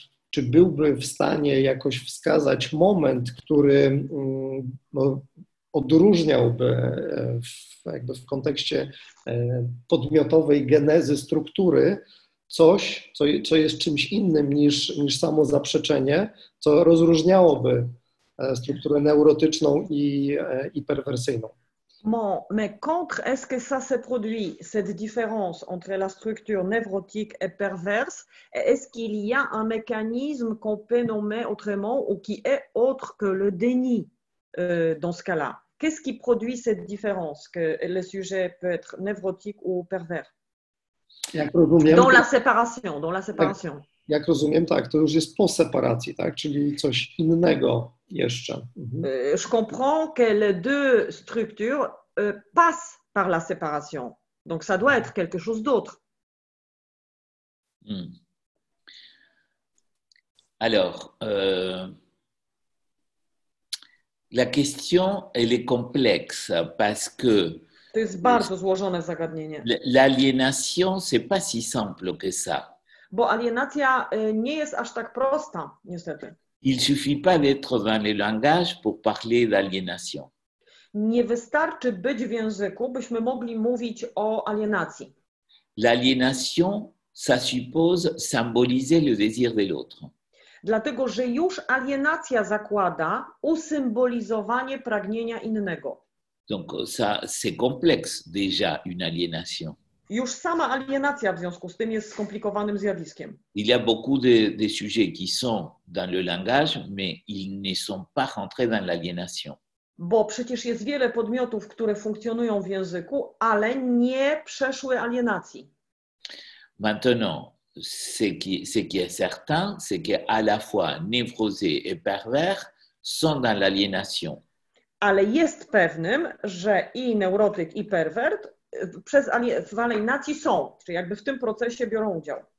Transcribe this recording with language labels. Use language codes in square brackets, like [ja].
[pl] czy byłby w stanie jakoś wskazać moment, który odróżniałby jakby w kontekście podmiotowej genezy struktury coś, co jest czymś innym niż samo zaprzeczenie, co rozróżniałoby strukturę neurotyczną i perwersyjną. [fr] Bon, mais contre, est-ce que ça se produit, cette différence entre la structure névrotique et perverse? Et est-ce qu'il y a un mécanisme qu'on peut nommer autrement ou qui est autre que le déni dans ce cas-là? Qu'est-ce qui produit cette différence que le sujet peut être névrotique ou pervers? Dans la séparation. [pl] Tak. Jak rozumiem, tak, to już jest po separacji, tak? Czyli coś innego jeszcze. [fr] Je comprends que les deux structures passent par la séparation. Donc ça doit être quelque chose d'autre. Alors, la question, elle est complexe parce que [pl] to jest bardzo złożone zagadnienie. [fr] L'aliénation, c'est pas si simple que ça. [pl] Bo alienacja nie jest aż tak prosta, niestety. [fr] Il suffit pas d'être dans le langage pour parler d'aliénation. [pl] Nie wystarczy być w języku, byśmy mogli mówić o alienacji. [fr] L'aliénation, ça suppose symboliser le désir de l'autre. [pl] Dlatego, że już alienacja zakłada usymbolizowanie pragnienia innego. [fr] Donc ça, c'est complexe déjà une aliénation. [pl] Już sama alienacja w związku z tym jest skomplikowanym zjawiskiem. [fr] Il y a beaucoup de sujets qui sont dans le langage, mais ils ne sont pas rentrés dans l'aliénation. [pl] Bo przecież jest wiele podmiotów, które funkcjonują w języku, ale nie przeszły alienacji. [fr] Maintenant, ce qui est certain, c'est que à la fois névrosé et pervers sont dans l'aliénation. [pl] Ale jest pewnym, że i neurotyk, i pervert przez alienacji są, czy jakby w tym procesie biorą udział.